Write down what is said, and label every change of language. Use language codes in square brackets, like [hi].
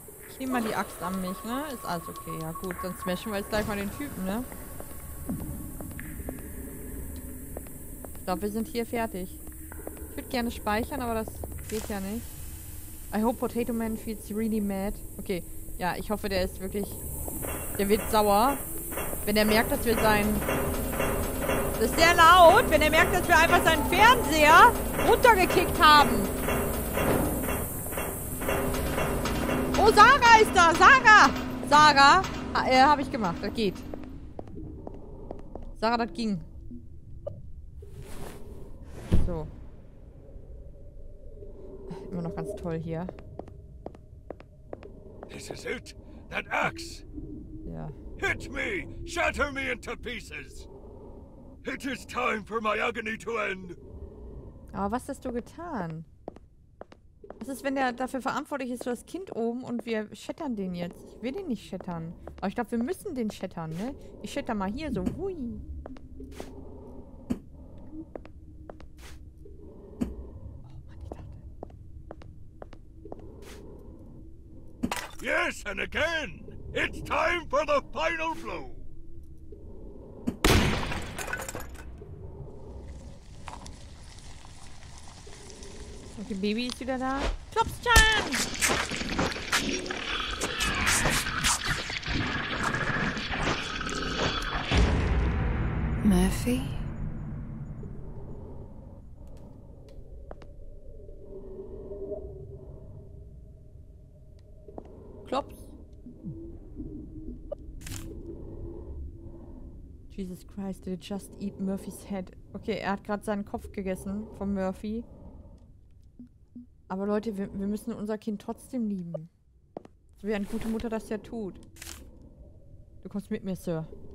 [de] Ich nehme mal die Axt an mich, ne? Ist alles okay. Ja gut, dann smashen wir jetzt gleich mal den Typen, ne? Ich glaube, wir sind hier fertig. Ich würde gerne speichern, aber das geht ja nicht. [en] I hope Potato Man feels really mad. [de] Okay, ja, ich hoffe, der ist wirklich... Der wird sauer, wenn er merkt, dass wir sein... Das ist sehr laut, wenn er merkt, dass wir einfach seinen Fernseher runtergekickt haben. Oh, Sarah ist da! Sarah! Habe ich gemacht, das geht. Sarah, das ging. Immer noch ganz toll hier. [en] This is it. That axe. Yeah. Hit me. Shatter me into pieces. It is time for my agony to end. [de] Aber was hast du getan? Was ist, wenn der dafür verantwortlich ist, du hast Kind oben und wir shattern den jetzt? Ich will den nicht shattern. Aber ich glaube, wir müssen den shattern, ne? Ich shatter mal hier so. Hui. [en] Yes, and again! It's time for the final blow! [de] Okay, Baby ist wieder da. Klopschan! [en] Murphy? Jesus Christ, did it just eat Murphys head? [de] Okay, er hat gerade seinen Kopf gegessen von Murphy. Aber Leute, wir müssen unser Kind trotzdem lieben. So wie eine gute Mutter das ja tut. Du kommst mit mir, Sir.